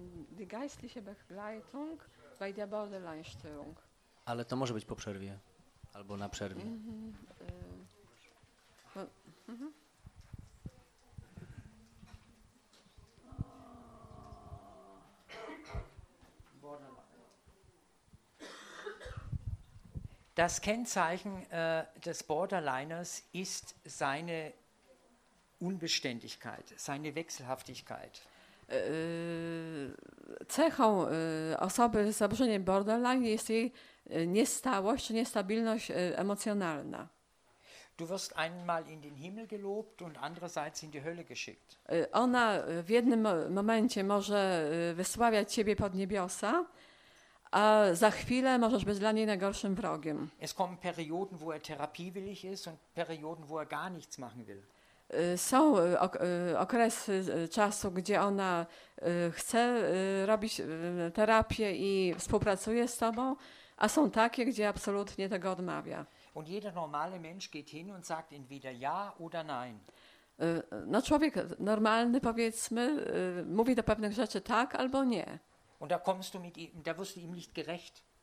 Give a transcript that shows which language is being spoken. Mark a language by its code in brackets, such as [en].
[de] Die geistliche Begleitung bei der Borderline-Störung. [pl] Ale to może być po przerwie albo na przerwie. [de] Das Kennzeichen des Borderliners ist seine Unbeständigkeit, seine Wechselhaftigkeit. [pl] Cechą osoby z zaburzeniem borderline jest jej niestałość czy niestabilność emocjonalna. [de] Du wirst einmal in den Himmel gelobt und andererseits in die Hölle geschickt. [pl] Ona w jednym momencie może wysławiać ciebie pod niebiosa. A za chwilę możesz być dla niej najgorszym wrogiem. [de] Es kommen Perioden, wo er therapiewillig ist und Perioden, wo er gar nichts machen will. [pl] Są okresy czasu, gdzie ona chce robić terapię i współpracuje z tobą, a są takie, gdzie absolutnie tego odmawia. [de] Und jeder normale Mensch geht hin und sagt entweder ja oder nein. [pl] No człowiek normalny, powiedzmy, mówi do pewnych rzeczy tak albo nie. [de] Und da kommst du mit ihm, da wirst du ihm nicht gerecht.